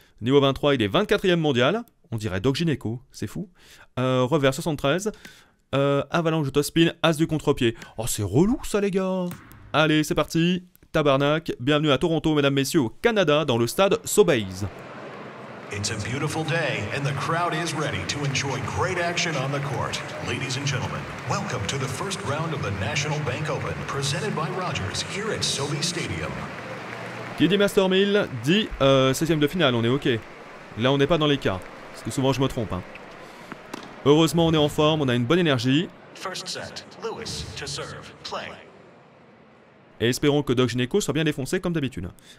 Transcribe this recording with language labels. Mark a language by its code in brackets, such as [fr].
[fr] Niveau 23, il est 24ème mondial. On dirait Doc Gineco, c'est fou. Revers 73. Avalanche de Tospin, As du contre-pied. Oh, c'est relou ça, les gars. Allez, c'est parti. Tabarnak. Bienvenue à Toronto, mesdames, messieurs, au Canada, dans le stade Sobeys. [en] It's a beautiful day, and the crowd is ready to enjoy great action on the court. Ladies and gentlemen, welcome to the first round of the National Bank Open, presented by Rogers, here at Sobeys Stadium. [fr] Qui dit Master Mill dit 16ème de finale, on est OK. Là, on n'est pas dans les cas. Parce que souvent je me trompe. Hein. Heureusement, on est en forme, on a une bonne énergie. [en] First set, Lewis, to serve, play. [fr] Et espérons que Doc Gineco soit bien défoncé comme d'habitude.